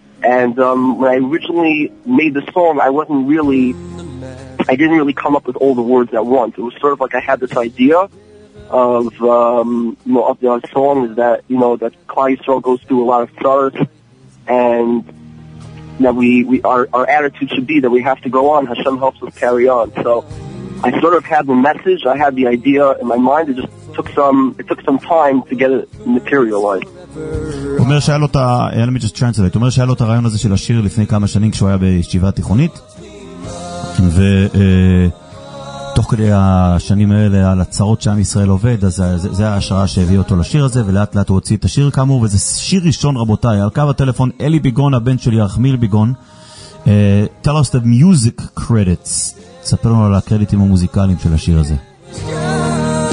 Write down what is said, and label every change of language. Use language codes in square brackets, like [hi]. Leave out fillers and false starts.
[en] And when I originally made the song, I didn't really come up with all the words at once. It was sort of like I had this idea of of the song is that, you know, that Klal Yisrael goes through a lot of stress, and that our attitude should be that we have to go on. Hashem helps us carry on. So I sort of had the message. I had the idea in my mind. It just took some time to get it materialized. [he] אומר שהיה לו את ה... [en] let me just translate. [he] אומר שהיה לו את הרעיון הזה של השיר לפני כמה שנים כשהוא היה בישיבה תיכונית, ותוך כדי השנים האלה על הצרות שעם ישראל עובד, אז זה ההשראה שהביא אותו לשיר הזה, ולאט לאט הוא הוציא את השיר כאמור, וזה שיר ראשון רבותיי. על קו הטלפון אלי ביגון, הבן של ירחמיאל ביגון. [en] Tell us the music credits. [he] תספר לנו על הקרדיטים המוזיקליים של השיר הזה.